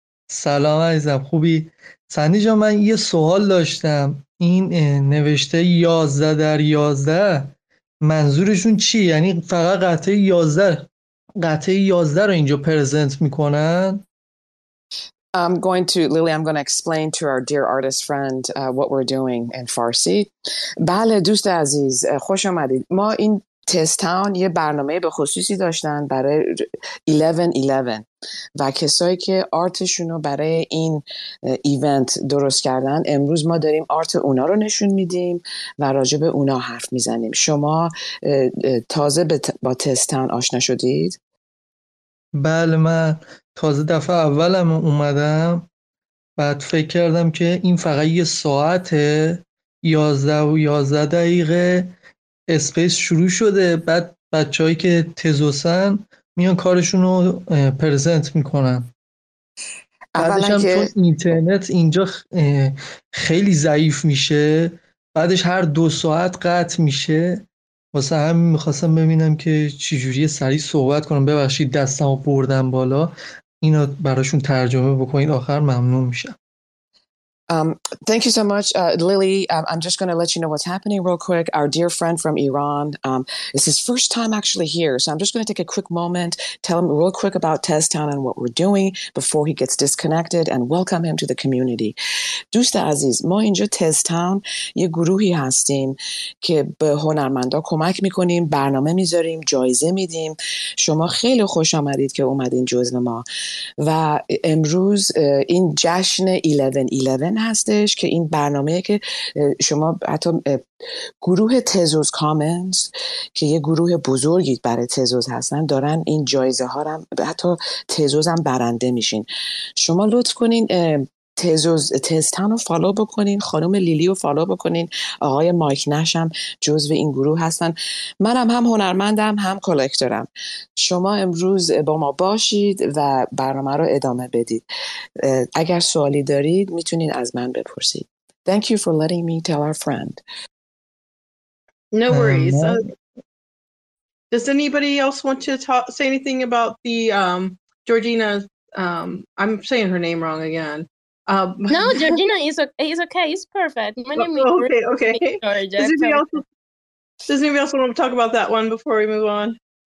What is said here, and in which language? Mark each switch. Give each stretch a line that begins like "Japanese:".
Persian: سلام عزیزم خوبی سندی جان من یه سوال داشتم این نوشته 11 در 11 منظورشون چی؟ یعنی فقط قطعه 11 قطعه 11 رو اینجا پرزنت میکنن؟
English: I'm going to explain to our dear artist friend what we're doing in Farsi.
Persian: بله دوست عزیز خوش آمدید ما این تست تاون یه برنامه به خصوصی داشتن برای 11-11 و کسایی که آرتشون رو برای این ایونت درست کردن امروز ما داریم آرت اونا رو نشون میدیم و راجع به اونا حرف میزنیم شما تازه با تست تاون آشنا شدید؟ بله من تازه دفعه اولم اومدم بعد فکر کردم که این فقط یه ساعته 11 و 11 دقیقه اسپیس شروع شده بعد بچه‌هایی که تزوسن میان کارشون رو پرزنت میکنن بعدش هم چون اینترنت اینجا خیلی ضعیف میشه بعدش هر 2 ساعت قطع میشه واسه همین میخواستم ببینم که چجوری سریع صحبت کنم ببخشید دستم رو بردم بالا اینو براشون ترجمه بکنید آخر ممنون میشم
English: Thank you so much, Lily. I'm just going to let you know what's happening real quick. Our dear friend from Iran, this is his first time actually here. So I'm just going to take a quick moment, tell him real quick about TezTown and what we're doing before he gets disconnected and welcome him to the community.
Persian: دوست عزیز، ما اینجا TezTown یه گروهی هستیم که به هنرمندا کمک میکنیم، برنامه میذاریم، جایزه میدیم. شما خیلی خوش آمدید که اومدین جزء ما. و امروز این جشن 11-11 هستش که این برنامه که شما حتی گروه تزوز کامنز که یه گروه بزرگی برای تزوز هستن دارن این جایزه ها هم حتی تزوز هم برنده میشین شما لطف کنین تزتان رو فالو بکنین خانم لیلی رو فالو بکنین آقای مایک نش هم جزو این گروه هستن من هم هنرمندم هم کلکترم شما امروز با ما باشید و برنامه رو ادامه بدید اگر سوالی دارید میتونین از من بپرسید
English: Thank you for letting me tell our friend No worries Does anybody else want to say anything about the Georgina I'm saying her name wrong again no, Georgina is okay. It's perfect. My name is okay. Okay. Does anybody else want to talk about that one before we move on?